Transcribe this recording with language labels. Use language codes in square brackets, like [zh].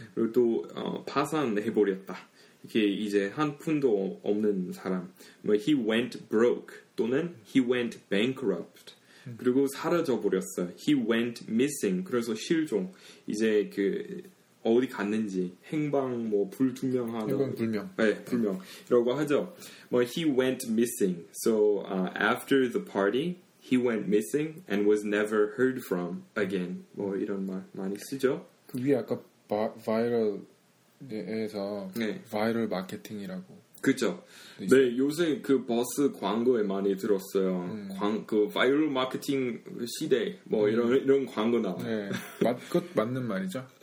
[ko] 그리고 또 파산해버렸다. 이렇게 이제 한 푼도 없는 사람. [en] 뭐, he went broke. 또는 he went bankrupt. [ko] 그리고 사라져버렸어요. [en] He went missing. [ko] 그래서 실종. 이제 그 어디 갔는지 행방 뭐 불투명하다. 행방 불명. 네, 불명. 이라고 하죠. 뭐, [en] he went missing. So, after the party, He went missing and was never heard from again. [ko] 뭐 이런 말 많이 쓰죠. 그 위에 아까 바이럴에서 네. 바이럴 마케팅이라고. 그렇죠. 네, 요새 그 버스 광고에 많이 들었어요. 그 바이럴 마케팅 시대 뭐 이런 광고 나와요. 네. 그것 맞는 말이죠?